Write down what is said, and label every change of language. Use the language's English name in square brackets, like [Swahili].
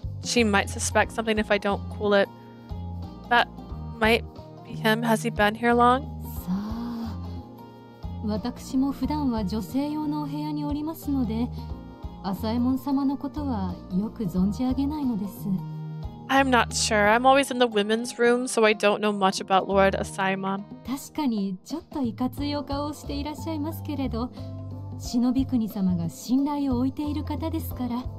[English] She might suspect something if I don't cool it. That might be him. Has he been here long? So, I'm usually in a women's room, so... [Japanese] 浅右衛門様のことはよく存じ上げないのです。 [English] I'm not sure. I'm always in the women's room, so I don't know much about Lord Asaimon. [Japanese] 確かにちょっといかついお顔をしていらっしゃいますけれど、忍び国様が信頼を置いている方ですから。